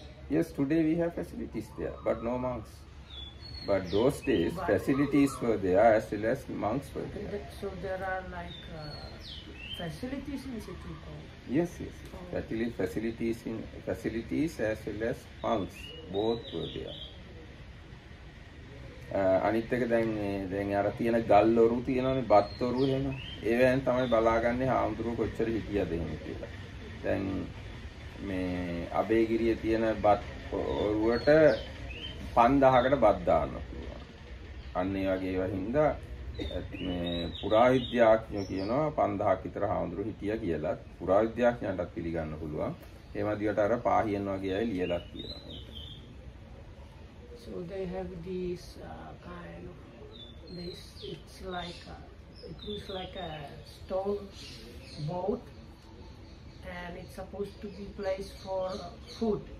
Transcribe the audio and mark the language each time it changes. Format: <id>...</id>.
<en>Yes, today we have facilities there, but no monks. But those days, but facilities were there as well as monks were there. So there are like facilities in Sitalpur? Yes. Oh. Facilities as well as monks, both were there.</en> <si>අනිත් එක දැන් අර තියෙන ගල්වරු තියෙනවනේ බත්වරු එහෙම ඒවෙන් තමයි බලාගන්නේ හාමුදුරුව කොච්චර හිටියද එහෙම කියලා. දැන් මේ අබේගිරිය තියෙන බත් වරුවට 5000කට බත් දානවා. අන්න ඒ වගේ ඒවා හින්දා මේ පුරාවිද්‍යාඥයෝ කියනවා 5000ක් විතර හාමුදුරුව හිටියා කියලා. පුරාවිද්‍යාඥයන්ටත් පිළිගන්න පුළුවන්. එහෙම දිවට අර පාහියන් වගේ අය ලියලා තියෙනවා.</si> <en>So they have this kind of this. It's like it looks like a stone boat, and it's supposed to be placed for food.</en>